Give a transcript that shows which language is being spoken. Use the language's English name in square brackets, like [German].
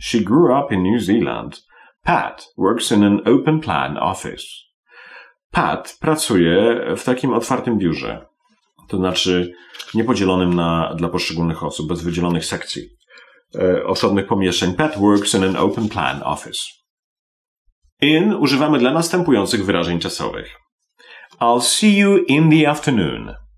[English] She grew up in New Zealand. Pat works in an open plan office. [Polish] Pat pracuje w takim otwartym biurze. To znaczy niepodzielonym dla poszczególnych osób, bez wydzielonych sekcji, osobnych pomieszczeń. [English] Pat works in an open plan office. [Polish] In używamy dla następujących wyrażeń czasowych. [English] I'll see you in the afternoon.